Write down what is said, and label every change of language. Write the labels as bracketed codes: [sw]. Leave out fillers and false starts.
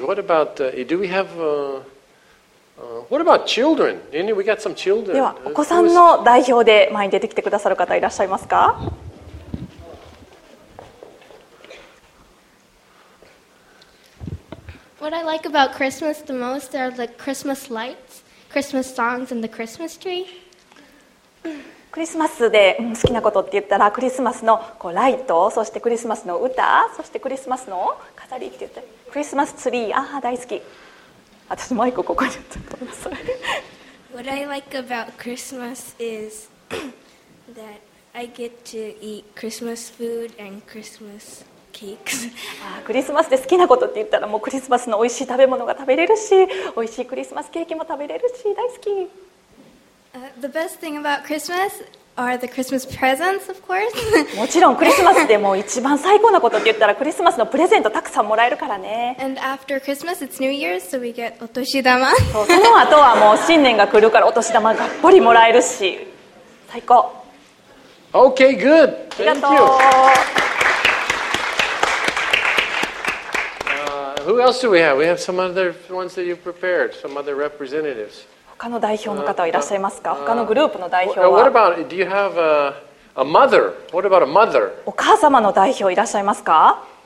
[en] What about do we have what about children? We got some children. [ja] ではお子さんの代表で前に出てきてくださる方いらっしゃいますか。 [en] What I like about Christmas the most are the Christmas lights, Christmas songs, and the Christmas tree. [ja] クリスマスで好きなことって言ったら、クリスマスのこうライト、そしてクリスマスの歌、そしてクリスマスの飾りって言って、クリスマスツリー、ああ大好き。私マイクここにちょっと。 [en] What I like about Christmas is that I get to eat Christmas food and Christmas cakes. [ja] ああクリスマスで好きなことって言ったらもうクリスマスの美味しい食べ物が食べれるし、美味しいクリスマスケーキも食べれるし大好き。 [en] The best thing about Christmas are the Christmas presents, of course. [ja] もちろんクリスマスでも一番最高なことって言ったらクリスマスのプレゼントたくさんもらえるからね。 [en] And after Christmas, it's New Year's, so we get お年玉。 [ja] そう、その後はもう新年が来るからお年玉がっぽりもらえるし、最高。 [en] Okay, good. Thank you. Who else do we have? We have some other ones that you've prepared, some other representatives. [ja] 他の代表の方はいらっしゃいますか？他のグループの代表は。 [en] What about, do you have a mother? What about a mother? [ja] お母様の代表いらっしゃいますか？